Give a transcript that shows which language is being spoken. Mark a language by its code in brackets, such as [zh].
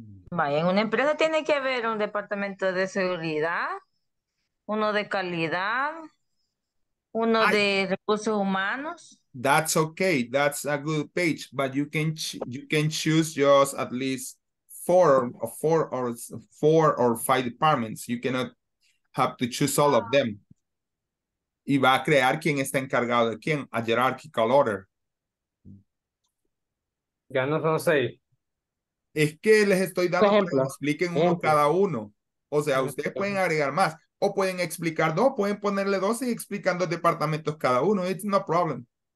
[es] Vaya, en una empresa tiene que haber un departamento de seguridad, uno de calidad, uno de recursos humanos. [en] That's okay. That's a good page, but you can choose just at least four or five departments. You cannot have to choose all of them. [es] Y va a crear quién está encargado de quién, [en] a hierarchical order. [es] Ya no son seis. Es que les estoy dando ejemplo, que expliquen uno cada uno. O sea, ustedes pueden agregar más. O pueden explicar dos. Pueden ponerle dos y explican dos departamentos cada uno. [en] It's no problem.